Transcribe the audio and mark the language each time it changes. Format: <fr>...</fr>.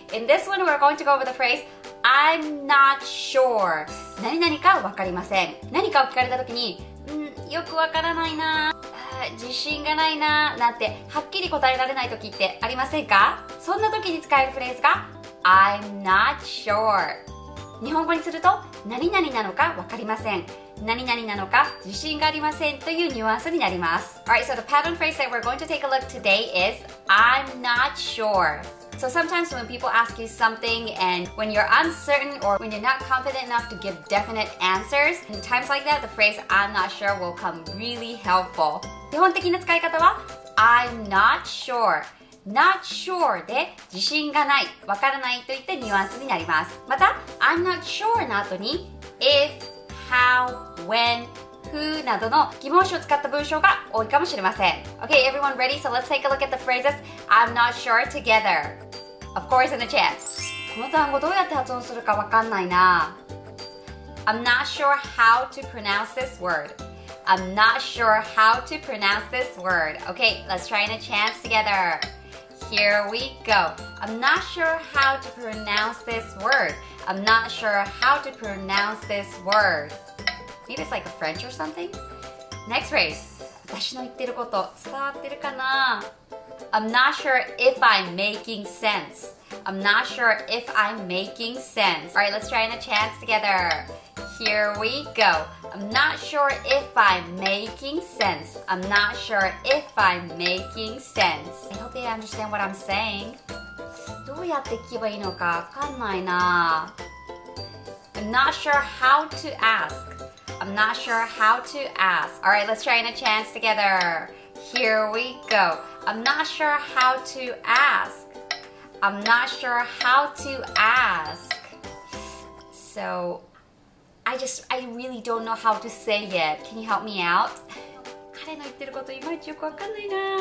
<en>In this one, we're going to go over the phrase, I'm not sure.</en> <ja>何々かわかりません。何かを聞かれた時に、よくわからないな、自信がないな、なんてはっきり答えられない時ってありませんか？そんな時に使えるフレーズが、</ja> <en>I'm not sure。</en> <ja>日本語にすると、何々なのかわかりません。何々なのか自信がありませんというニュアンスになります。</ja> <en>Alright, so the pattern phrase that we're going to take a look today is I'm not sure. So sometimes when people ask you something and when you're uncertain or when you're not confident enough to give definite answers, in times like that, the phrase I'm not sure will come really helpful.</en> <ja>基本的な使い方は</ja> <en>I'm not sure. Not sure</en> <ja>で自信がない、わからないといったニュアンスになります。また、</ja> <en>I'm not sure</en> <ja>の後に if, how, when, who などの疑問詞を使った文章が多いかもしれません。</ja> <en>Okay, everyone ready? So let's take a look at the phrases I'm not sure together. Of course, in a chance.</en> <ja>この単語どうやって発音するかわかんないな。</ja> <en>I'm not sure how to pronounce this word. I'm not sure how to pronounce this word. Okay, let's try in a chance together. Here we go. I'm not sure how to pronounce this word. I'm not sure how to pronounce this word. Maybe it's like French or something. Next phrase.</en> <ja>私の言ってること伝わってるかな?</ja> <en>I'm not sure if I'm making sense. I'm not sure if I'm making sense. Alright, let's try in a chance together. Here we go. I'm not sure if I'm making sense. I'm not sure if I'm making sense. I hope you understand what I'm saying.</en> <ja>どうやって聞けばいいのかわかんないな。</ja> <en>I'm not sure how to ask. I'm not sure how to ask. All right, let's try in a chance together. Here we go. I'm not sure how to ask. I'm not sure how to ask. So... I really don't know how to say yet. Can you help me out?</en> <ja>彼の言ってることいまいちよくわかんないな。</ja>